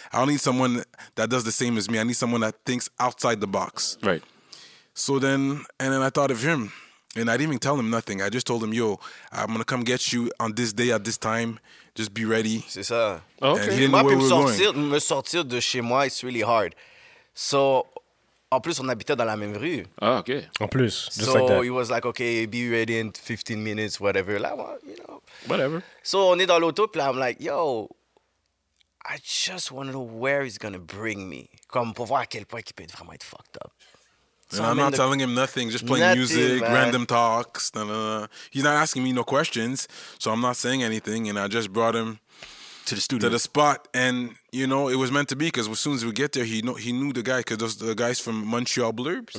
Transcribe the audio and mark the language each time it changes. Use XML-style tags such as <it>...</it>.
<en>I don't need someone that does the same as me. I need someone that thinks outside the box. Right. So then I thought of him. And I didn't even tell him nothing. I just told him, yo, I'm gonna come get you on this day at this time. Just be ready.</en> <fr>C'est ça.</fr> <en>Okay. And he didn't know where we were going.</en> <fr>Me sortir de chez moi,</fr> <en>it's really hard.</en> <fr>So en plus, on habitait dans la même rue.</fr> <en>Ah, OK.</en> <fr>En plus, just</fr> <en>so like that. So, he was like, OK, be ready in 15 minutes, whatever. Like, well, you know. Whatever. So,</en> <fr>on est dans l'auto, puis là,</fr> <en>I'm like, yo, I just want to know where he's going to bring me.</en> <fr>Comme pour voir à quel point il peut vraiment être</fr> <en>fucked up. So and I'm not telling him nothing, just playing nothing, music, man. Random talks. Nah, nah, nah. He's not asking me no questions, so I'm not saying anything, and I just brought him to the studio, to the spot, and you know it was meant to be, because as soon as we get there, he knew the guy, because those the guys from Montreal Blurbs.</en>